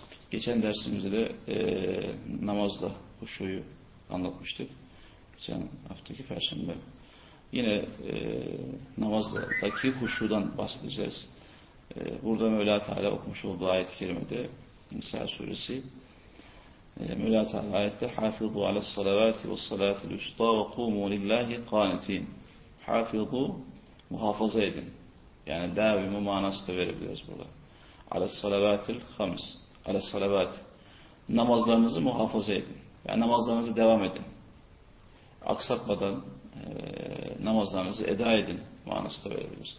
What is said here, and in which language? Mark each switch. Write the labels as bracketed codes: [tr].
[tr] Geçen dersimizde de namazda huşuyu anlatmıştık. Geçen haftaki perşembe. Yine namazdaki huşudan bahsedeceğiz. Burada Mevla Teala okumuş olduğu ayet-i kerimede Nisa suresi. Mevla Teala ayette [ar] حَافِضُوا عَلَى الصَّلَوَاتِ وَالصَّلَاتِ الْاُسْطَى وَقُومُوا لِلّٰهِ قَانِتِينَ. [tr] حَافِضُوا, muhafaza edin. Yani davimi manası da verebiliriz burada. [ar] Alessalavatil hamis. Alessalavat. [tr] Namazlarınızı muhafaza edin. Yani namazlarınızı devam edin. Aksatmadan namazlarınızı eda edin manası da verebiliriz.